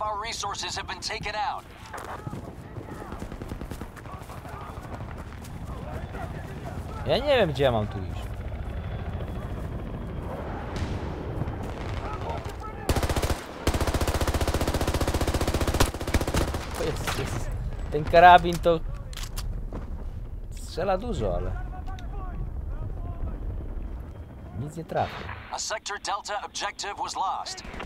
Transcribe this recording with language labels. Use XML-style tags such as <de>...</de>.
<en>Resources have been taken out.</en> <pl>Ja nie wiem, gdzie ja mam tu iść. O Jezus. Ten karabin to strzela dużo, ale nic nie trafi.</pl> <en>A sector Delta objective was lost.</en>